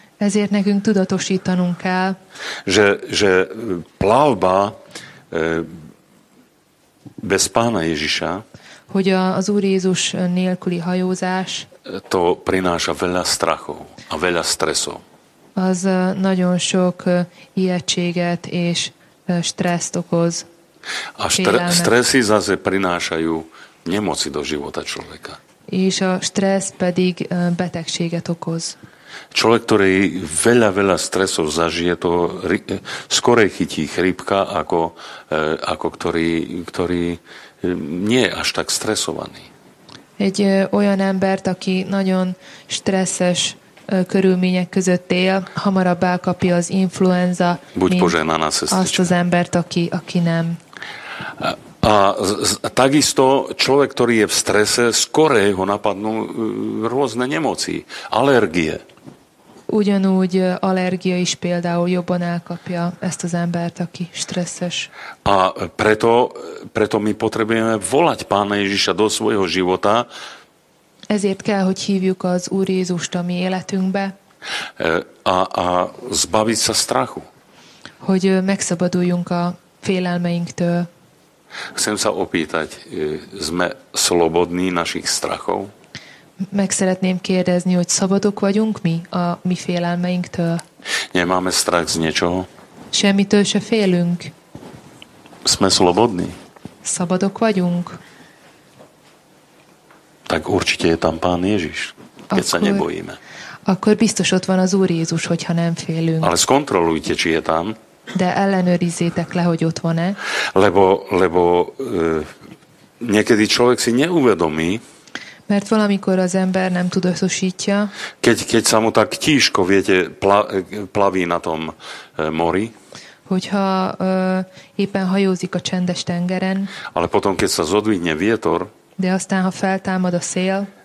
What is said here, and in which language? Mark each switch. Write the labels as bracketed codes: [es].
[hu] ezért nekünk tudatosítanunk kell, [sk] že plavba bez Pána Ježiša, [hu] hogy az Úr Jézus nélküli hajózás, [sk] to prináša veľa strachov a veľa stresov. [hu] Az nagyon sok ijedtséget és stresszt okoz. [sk] A stresszi zase prinášajú nemoci do života človeka. [hu] És a stressz pedig betegséget okoz. [sk] Človek, ktorý veľa stresov zažije, to skorej chytí chrípka, ako ktorý nie je až tak stresovaný. [hu] Egy olyan embert, aki nagyon stresszes körülmények között él, hamarabb elkapja az influenza, [sk] buď mint požená na [hu] azt az embert, aki nem. [sk] A takisto človek, ktorý je v strese, skorej ho napadnú rôzne nemoci, alergie. [hu] Ugyanúgy alergia is például jobban elkapja ezt az embert, aki stresszes. [sk] A preto mi potrebujeme volať Pána Ježiša do svojho života. [hu] Ezért kell, hogy hívjuk az Úr Jézust a mi életünkbe. [sk] A zbaviť sa strachu. [hu] Hogy megszabaduljunk a félelmeinktől. [sk] Chcem sa opýtať, sme slobodní našich strachov? [hu] Meg szeretném kérdezni, hogy szabadok vagyunk mi a mi félelmeinktől? [sk] Nemáme strach z niečoho? [hu] Semmitől se félünk. [sk] Sme slobodní? [hu] Szabadok vagyunk. [sk] Tak určite je tam Pán Ježiš, keď [hu] akkor, [sk] sa nebojíme. [hu] Akkor biztos ott van az Úr Jézus, hogyha nem félünk. [sk] Ale skontrolujte, či je tam. [hu] De ellenőrizzétek le, hogy ott van-e. [sk] Lebo niekedy človek si neuvedomí, [hu] mert valamikor az ember nem tudatosítja. [sk] Keď sa mu tak tížko, viete, plaví na tom mori. [hu] Hogyha éppen hajózik a csendes tengeren. [sk] Ale potom, keď sa zodvihne vietor. [hu] De aztán, ha feltámad a szél.